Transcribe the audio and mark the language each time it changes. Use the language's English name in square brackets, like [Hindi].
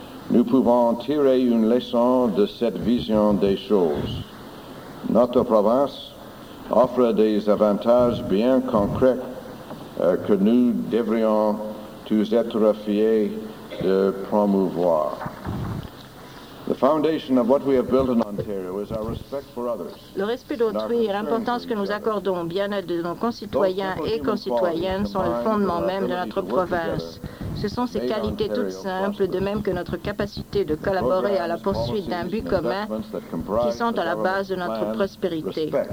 [French] Nous pouvons tirer une leçon de cette vision des choses. Notre province offre des avantages bien concrets que nous devrions tous être fiers de promouvoir. [English] The foundation of what we have built in Ontario is our respect for others. [French] Le respect d'autrui et l'importance que nous accordons au bien-être de nos concitoyens et concitoyennes sont le fondement même de notre province. Ce sont ces qualités toutes simples, de même que notre capacité de collaborer à la poursuite d'un but commun, qui sont à la base de notre prospérité.